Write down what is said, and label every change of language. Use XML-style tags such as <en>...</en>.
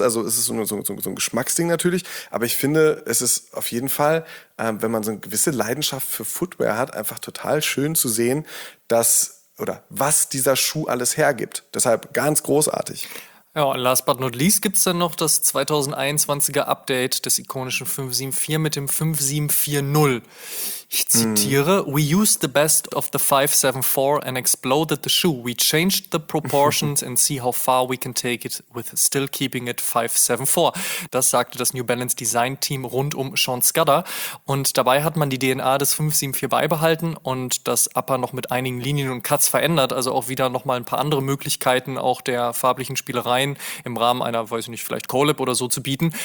<de>Also es ist so ein Geschmacksding natürlich. Aber ich finde, es ist auf jeden Fall, wenn man so eine gewisse Leidenschaft für Footwear hat, einfach total schön zu sehen, dass oder was dieser Schuh alles hergibt. Deshalb ganz großartig. Ja,</de> <en>last but not least</en> <de>gibt's dann noch das 2021er Update des ikonischen 574 mit dem 5740. Ich zitiere,</de> <en>we used the best of the 574 and exploded the shoe. We changed the proportions and see how far we can take it with still keeping it 574.</en> <de>Das sagte das New Balance Design Team rund um Sean Scudder. Und dabei hat man die DNA des 574 beibehalten und das Upper noch mit einigen Linien und Cuts verändert. Also auch wieder nochmal ein paar andere Möglichkeiten auch der farblichen Spielereien im Rahmen einer, weiß ich nicht, vielleicht Collab oder so zu bieten.</de>